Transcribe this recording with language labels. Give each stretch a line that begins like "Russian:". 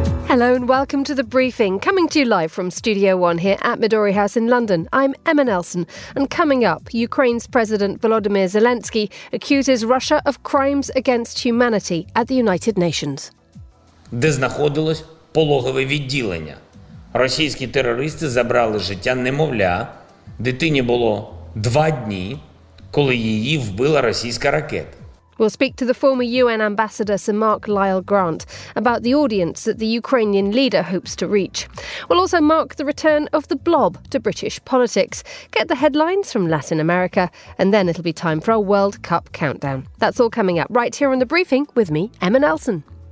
English: Hello and welcome to The Briefing, coming to you live from Studio One here at Midori House in London. I'm Emma Nelson, and coming up, Ukraine's President Volodymyr Zelensky accuses Russia of crimes against humanity at the United Nations.
Ukrainian: Де знаходилось пологове відділення? Російські терористи забрали життя немовля. Дитині було два дні, коли її вбила російська ракета.
English: We'll speak to the former UN ambassador Sir Mark Lyle Grant about the audience that the Ukrainian leader hopes to reach. We'll also mark the return of the blob to British politics, get the headlines from Latin America, and then it'll be time for our World Cup countdown. That's all coming up right here on The Briefing with me, Emma Nelson.